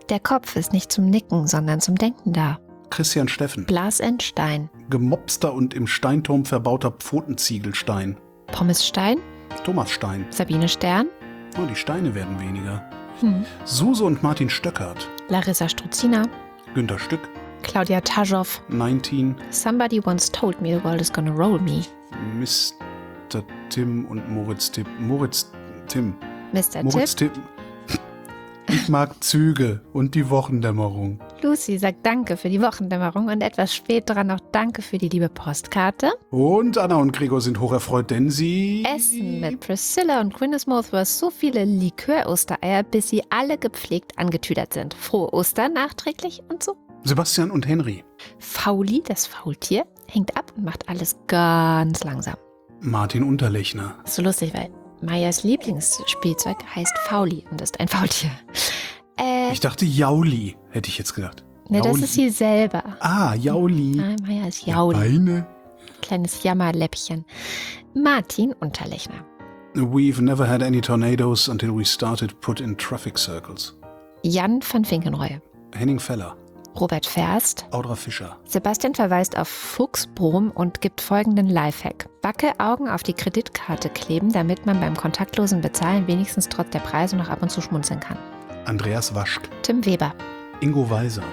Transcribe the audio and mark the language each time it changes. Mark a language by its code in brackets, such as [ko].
[de] Der Kopf ist nicht zum Nicken, sondern zum Denken da. Christian Steffen. Blasenstein. Gemopster und im Steinturm verbauter Pfotenziegelstein. Pommes Stein. Thomas Stein. Sabine Stern. Oh, die Steine werden weniger. Suse und Martin Stöckert. Larissa Struzina. Günter Stück. Claudia Tajov. 19. [en] Somebody once told me the world is gonna roll me. [de] Mr. Tim und Moritz Tim. Moritz Tim. Mr. Moritz Tim. Ich mag Züge und die Wochendämmerung. Lucy sagt Danke für die Wochendämmerung und etwas später noch Danke für die liebe Postkarte. Und Anna und Gregor sind hocherfreut, denn sie... Essen mit Priscilla und Quinnesmoth war so viele Likör-Ostereier, bis sie alle gepflegt angetüdert sind. Frohe Ostern nachträglich und so. Sebastian und Henry. Fauli, das Faultier, hängt ab und macht alles ganz langsam. Martin Unterlechner. So lustig, weil Mayas Lieblingsspielzeug heißt Fauli und ist ein Faultier. Ich dachte Jauli, hätte ich jetzt gedacht. Ne, das ist sie selber. Ah, Jauli. Nein, Maya ist Jauli. Meine. Kleines Jammerläppchen. Martin Unterlechner. [en] We've never had any tornadoes until we started put in traffic circles. [de] Jan van Finkenreue. Henning Feller. Robert Ferst. Audra Fischer. Sebastian verweist auf Fuchsbrom und gibt folgenden Lifehack. Wackelaugen auf die Kreditkarte kleben, damit man beim kontaktlosen Bezahlen wenigstens trotz der Preise noch ab und zu schmunzeln kann. Andreas Waschk. Tim Weber. Ingo Weiser.